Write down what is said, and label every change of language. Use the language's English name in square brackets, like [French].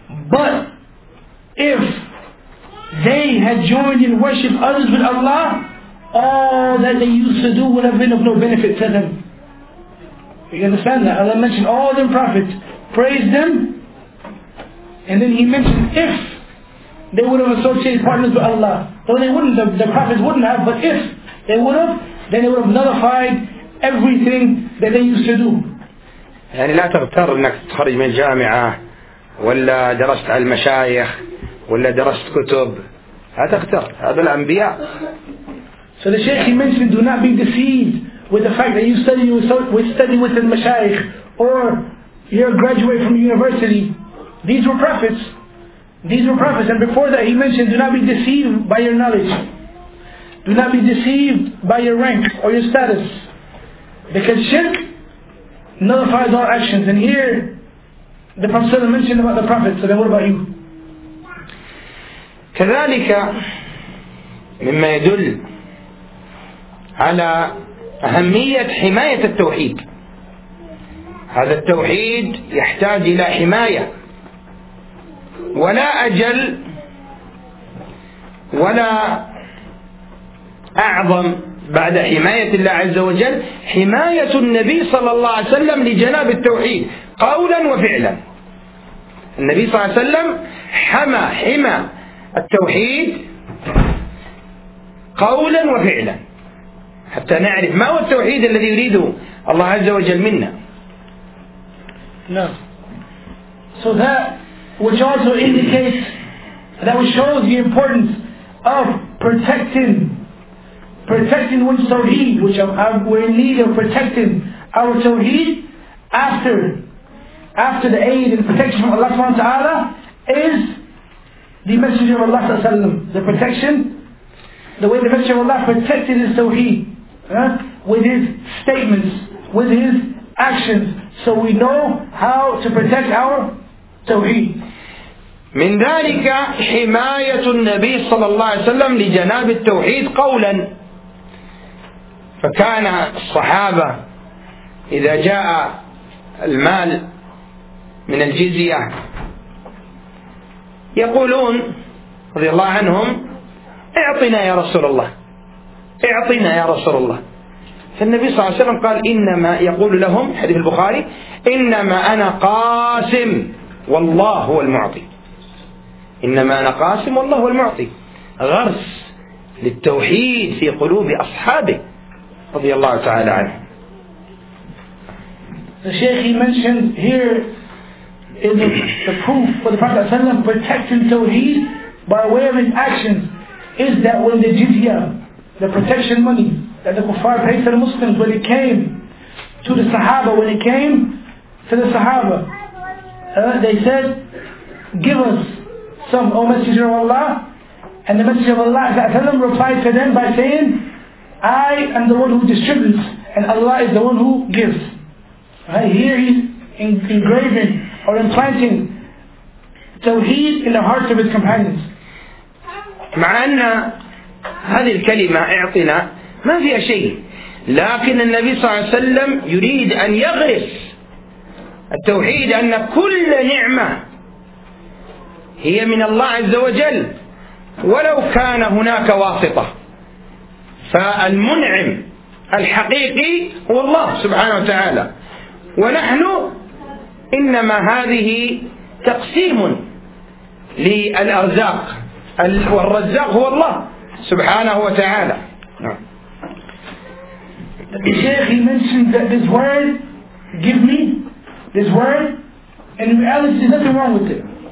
[English] But if they had joined in worship others with Allah, all that they used to do would have been of no benefit to them. You understand that? Allah mentioned all them prophets, praised them, and then he mentioned if they would have associated partners with Allah. Though they wouldn't, the prophets wouldn't have, but if they would have, then they would have nullified everything that they used to do. [Arabic] يعني لا تغتر انك تخرج من الجامعة ولا درست على المشايخ ولا درست كتب. لا تغتر. هذا الأنبياء. [English] So the Shaykh, he mentioned, do not be deceived with the fact that you study with the mashayikh, or you're a graduate from university. These were prophets. These were prophets. And before that he mentioned, do not be deceived by your knowledge. Do not be deceived by your rank or your status. Because shirk nullifies all actions. And here, the Prophet mentioned about the prophets. So then what about you? [Arabic] كذلك مما يدل على أهمية حماية التوحيد. هذا التوحيد يحتاج إلى حماية ولا أجل ولا أعظم بعد حماية الله عز وجل حماية النبي صلى الله عليه وسلم لجناب التوحيد قولا وفعلا. النبي صلى الله عليه وسلم حمى التوحيد قولا وفعلا حتى نعرف ما هو التوحيد الذي يريده الله عز وجل منا. [English] No. So that which also indicates, that which shows the importance of protecting one's tawheed, which we're in need of protecting our tawheed after the aid and protection from Allah subhanahu wa ta'ala, is the Messenger of Allah sallallahu alayhi wa sallam. The protection, the way the Messenger of Allah protected his tawheed. With his statements, with his actions so we know how to protect our tawheed. [Arabic] من ذلك حماية النبي صلى الله عليه وسلم لجناب التوحيد قولا. فكان الصحابة إذا جاء المال من الجزية يقولون رضي الله عنهم اعطنا يا رسول الله اعطنا يا رسول الله. فالنبي صلى الله عليه وسلم قال إنما يقول لهم حديث البخاري إنما أنا قاسم والله هو المعطي. إنما أنا قاسم والله هو المعطي. غرس للتوحيد في قلوب أصحابه رضي الله تعالى عنه. [English] The Sheikh, he mentioned here is the proof for the Prophet ﷺ protecting Tawheed by way of his actions is that when the jizya, the protection money that the kuffar paid to the Muslims when it came to the Sahaba, when it came to the Sahaba, they said, give us some, O Messenger of Allah. And the Messenger of Allah replied to them by saying, I am the one who distributes and Allah is the one who gives. Right? Here he's engraving or implanting Tawheed in the hearts of his companions. [Arabic] مع أن هذه الكلمة اعطنا ما فيها شيء، لكن النبي صلى الله عليه وسلم يريد أن يغرس التوحيد أن كل نعمة هي من الله عز وجل ولو كان هناك واسطة، فالمنعم الحقيقي هو الله سبحانه وتعالى، ونحن إنما هذه تقسيم للأرزاق، والرزاق هو الله سبحانه وتعالى. [English] The Sheikh, he mentioned that this word, give me, this word, in reality there's nothing wrong with it.